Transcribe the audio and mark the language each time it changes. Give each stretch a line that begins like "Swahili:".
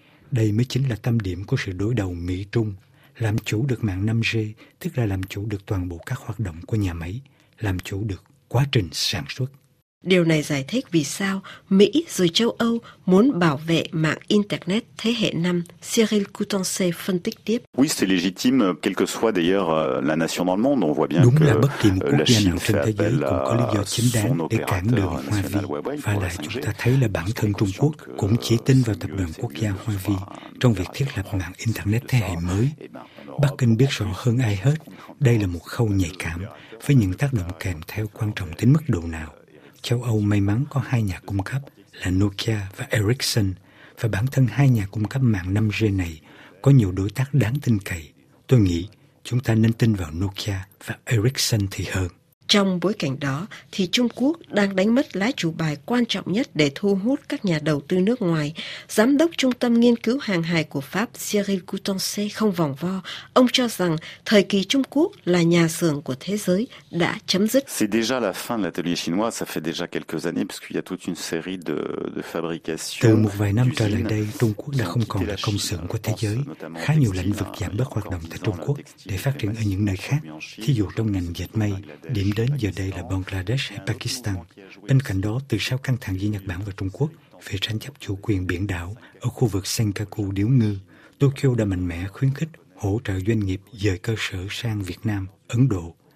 Vietnamese: Đây mới chính là tâm điểm của sự đối đầu Mỹ-Trung. Làm chủ được mạng 5G, tức là làm chủ được toàn bộ các hoạt động của nhà máy, làm chủ được quá trình sản xuất. Điều này giải thích vì sao Mỹ rồi châu Âu muốn bảo vệ mạng Internet thế hệ 5. Cyril Coutancé phân tích tiếp.
French: Oui, c'est légitime, quelle que soit d'ailleurs la nation dans le monde. On voit bien
Vietnamese: đúng
French: que
Vietnamese: là bất kỳ một quốc gia nào trên thế giới cũng có lý do chính đáng để cản đường Huawei. Và lại chúng ta thấy là bản thân Trung Quốc cũng chỉ tin vào tập đoàn quốc gia Huawei trong việc thiết lập mạng Internet thế hệ mới. Bắc Kinh biết rõ hơn ai hết, đây là một khâu nhạy cảm với những tác động kèm theo quan trọng đến mức độ nào. Châu Âu may mắn có hai nhà cung cấp là Nokia và Ericsson, và bản thân hai nhà cung cấp mạng 5G này có nhiều đối tác đáng tin cậy. Tôi nghĩ chúng ta nên tin vào Nokia và Ericsson thì hơn. Trong bối cảnh đó thì Trung Quốc đang đánh mất lá chủ bài quan trọng nhất để thu hút các nhà đầu tư nước ngoài. Giám đốc Trung tâm Nghiên cứu Hàng hải của Pháp Cyril Coutancé không vòng vo. Ông cho rằng thời kỳ Trung Quốc là nhà xưởng của thế giới đã chấm dứt.
French: C'est déjà la fin de l'atelier chinois, ça fait déjà quelques années parce qu'il y a toute une série de fabrication.
Vietnamese: Từ một vài năm trở lại đây, Trung Quốc đã không còn là công xưởng của thế giới. Khá nhiều lĩnh vực giảm bớt hoạt động tại Trung Quốc để phát triển ở những nơi khác. Thí dụ trong ngành dệt may, điểm đến giờ đây là Bangladesh hay Pakistan. Bên cạnh đó, từ sau căng thẳng giữa Nhật Bản và Trung Quốc về tranh chấp chủ quyền biển đảo ở khu vực Senkaku điếu ngư, Tokyo đã mạnh mẽ khuyến khích hỗ trợ doanh nghiệp dời cơ sở sang Việt Nam, Ấn Độ.